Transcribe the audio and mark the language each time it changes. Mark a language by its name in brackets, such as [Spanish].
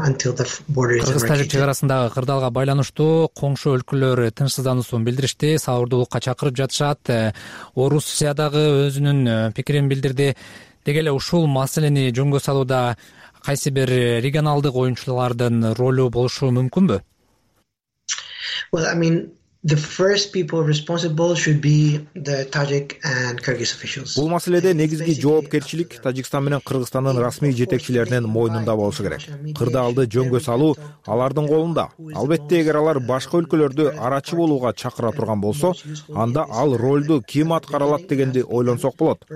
[Kyrgyz] Кыргыз-тажик чек арасындагы кырдаалга байланыштуу коңшу өлкөлөр тынчсыздануусун билдиришти, сабырдуулукка чакырып жатышат. Орусиядагы өзүнүн пикирин билдирди. Деги эле ушул маселени жөнгө салууда кайсы бир регионалдык оюнчулардын ролу болушу мүмкүнбү? [English] Well, I mean, the first people responsible should be the Tajik and Kyrgyz officials. [Kyrgyz] Бул маселеде негизги жоопкерчилик Тажикстан менен Кыргызстандын расмий жетекчилеринин мойнунда болушу керек. Кырдаалды жөнгө салуу алардын колунда. Албетте, эгер алар башка өлкөлөрдү арачы болууга чакыра турган болсо, анда ал ролду ким аткара алат дегенди ойлонсок болот.